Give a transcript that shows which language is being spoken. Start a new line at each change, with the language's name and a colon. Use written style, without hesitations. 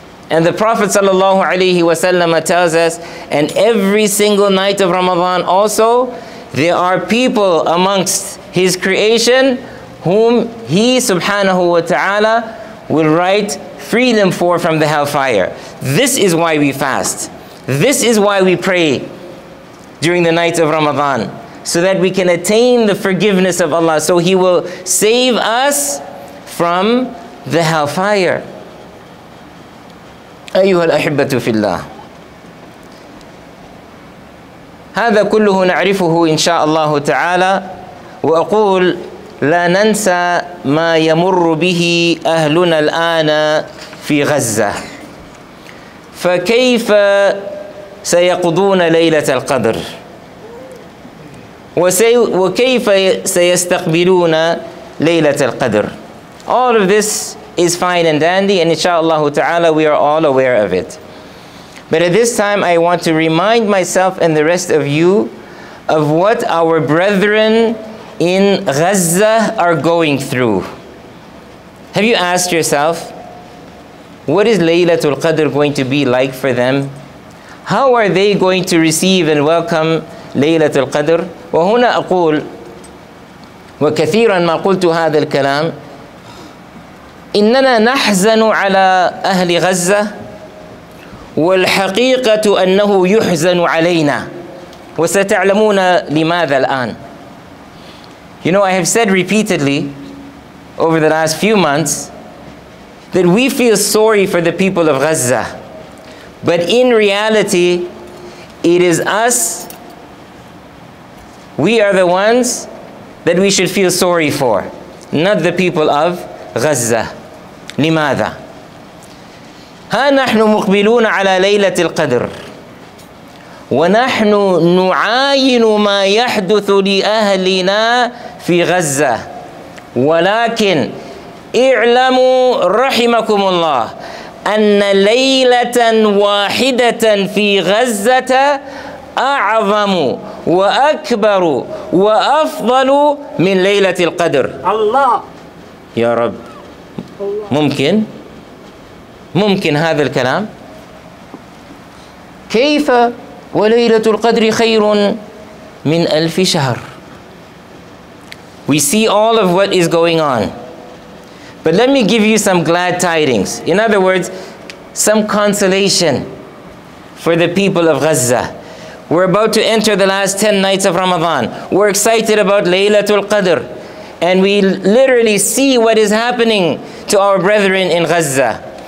English: And the Prophet sallallahu alaihi wasallam tells us, and every single night of Ramadan also, there are people amongst his creation whom he subhanahu wa ta'ala will write freedom for from the hellfire. This is why we fast. This is why we pray during the night of Ramadan, so that we can attain the forgiveness of Allah, so he will save us from the hellfire.
Arabic: أيها الأحبة في الله, هذا كله نعرفه إن شاء الله تعالى. وأقول لا ننسى ما يمر به أهلنا الآن في غزة, فكيف سيقضون ليلة القدر, وكيف سيستقبلون ليلة القدر.
English: All of this is fine and dandy, and inshallah ta'ala we are all aware of it. But at this time I want to remind myself and the rest of you of what our brethren in Gaza are going through. Have you asked yourself, what is Laylatul Qadr going to be like for them? How are they going to receive and welcome Laylatul Qadr?
Arabic: وهنا أقول وكثيرا ما قلت هذا الكلام, إننا نحزن على أهل غزة, والحقيقة أنه يحزن علينا, وستعلمون لماذا الآن.
English: You know, I have said repeatedly over the last few months that we feel sorry for the people of Gaza, but in reality it is us, we are the ones that we should feel sorry for, not the people of Gaza.
Arabic: لماذا؟ ها نحن مقبلون على ليلة القدر, ونحن نعاين ما يحدث لأهلنا في غزة، ولكن اعلموا رحمكم الله أن ليلة واحدة في غزة أعظم وأكبر وأفضل من ليلة القدر. الله يا رب. ممكن؟ ممكن هذا الكلام؟ كيف وليلة القدر خير من ألف شهر؟
English: We see all of what is going on. But let me give you some glad tidings. In other words, some consolation for the people of Gaza. We're about to enter the last 10 nights of Ramadan. We're excited about Laylatul Qadr. And we literally see what is happening to our brethren in Gaza.